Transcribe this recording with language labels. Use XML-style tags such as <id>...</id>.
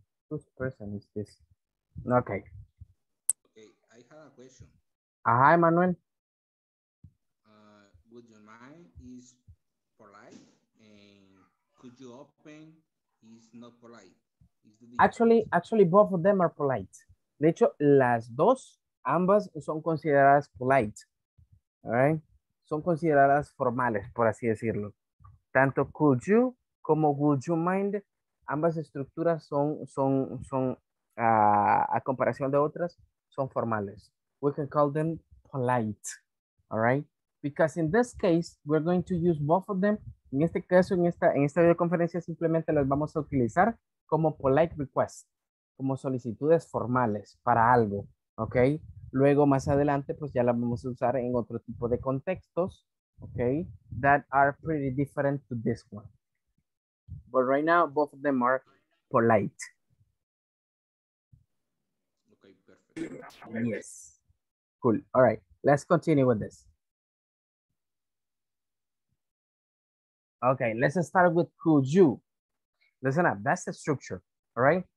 <en>Whose person is this? Okay. I have a question. Aha, Emmanuel. Would you mind is polite, and could you open is not polite. Is actually, both of them are polite.</en> <es>De hecho, las dos, ambas son consideradas polite.</es> <en>All right?</en> <es>Son consideradas formales, por así decirlo. Tanto could you como would you mind, ambas estructuras son a comparación de otras, son formales.</es> <en>We can call them polite, all right? Because in this case, we're going to use both of them.</en> <es>En este caso, en esta videoconferencia, simplemente las vamos a utilizar como polite requests, como solicitudes formales para algo, ¿ok? Luego, más adelante, pues ya las vamos a usar en otro tipo de contextos, ¿ok?</es> <en>That are pretty different to this one. But right now, both of them are polite. Yes. Cool. All right. Let's continue with this. Okay. Let's start with could you. Listen up. That's the structure. All right.</en>